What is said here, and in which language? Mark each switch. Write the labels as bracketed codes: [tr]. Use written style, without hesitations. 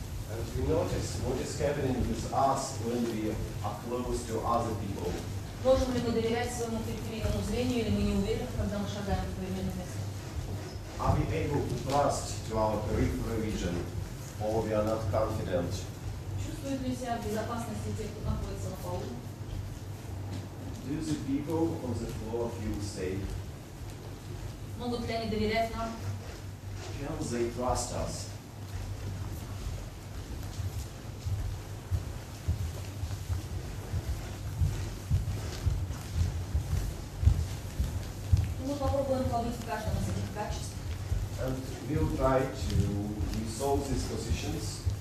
[en] And we notice what is happening with us when we are close to other people. [ru] Можем ли мы доверять своему периферийному зрению или мы не уверены, когда мы шагаем по временному месту? [en] Are we able to trust to our peripheral vision, or we are not confident? [ru] Чувствуют ли себя в безопасности те, кто находится на полу? [en] Do the people on the floor feel safe? [ru] Могут ли они доверять нам? [en] Can they trust us? [ru] Мы попробуем побыть в каждом из этих качеств. [en] And we'll try to resolve these positions.